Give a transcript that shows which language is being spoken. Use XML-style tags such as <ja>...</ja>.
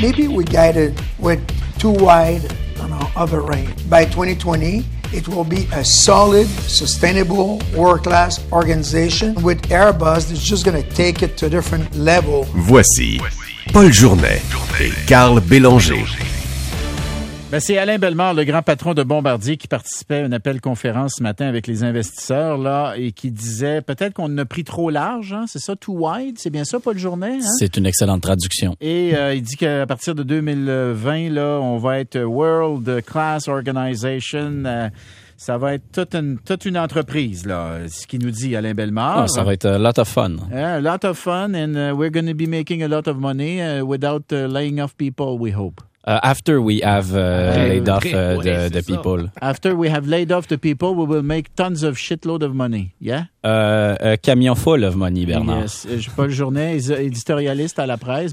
<en>Maybe we guided with too wide of a range. By 2020, it will be a solid, sustainable, world-class organization. With Airbus, it's just going to take it to a different level.</en> <fr>Voici Paul Journet et Carl Bélanger. Ben c'est Alain Bellemare, le grand patron de Bombardier, qui participait à un appel conférence ce matin avec les investisseurs là et qui disait peut-être qu'on a pris trop large, hein? C'est ça,</fr> <en>too wide,</en> <fr>c'est bien ça, Paul Journet? Hein? C'est une excellente traduction. Et il dit qu'à partir de 2020, là, on va être</fr> <en>World Class Organization.</en> <fr>Ça va être toute une entreprise, là, ce qu'il nous dit Alain Bellemare. Ça va être</fr> <en>a lot of fun. A lot of fun and we're going to be making a lot of money without laying off people, we hope. After we have laid off the people. After we have laid off the people, we will make tons of shitload of money, yeah?</en> <fr>Camion</fr> <en>full of money, Bernard. Yes,</en> <fr>je suis Paul Journet, éditorialiste à la presse.</fr>